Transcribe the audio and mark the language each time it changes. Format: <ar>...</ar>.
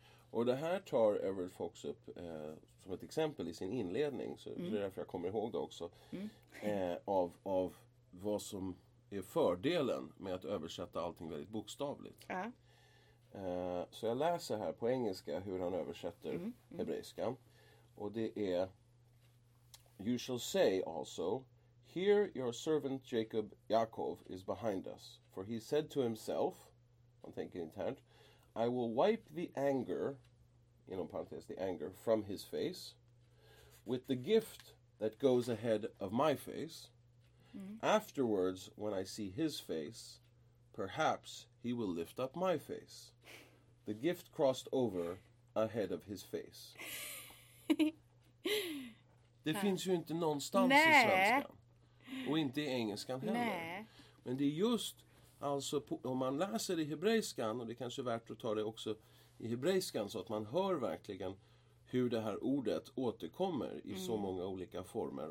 <sv>Och det här tar Everett Fox upp som ett exempel i sin inledning. Så det är därför jag kommer ihåg det också. Mm. Av vad som är fördelen med att översätta allting väldigt bokstavligt. Ja. Så jag läser här på engelska hur han översätter hebreiskan. Och det är...</sv> <en>You shall say also, here your servant Jacob, Yaakov, is behind us. For he said to himself, I'm thinking intent, I will wipe the anger,</en> <sv>inom parentes,</sv> <en>the anger, from his face, with the gift that goes ahead of my face. Afterwards, when I see his face, perhaps he will lift up my face. The gift crossed over ahead of his face.</en> <sv>Det finns ju inte någonstans i svenskan. Och inte i engelskan heller. Nej. Men det är just, alltså om man läser i hebreiskan, och det kanske är värt att ta det också i hebreiskan, så att man hör verkligen hur det här ordet återkommer i så många olika former.</sv>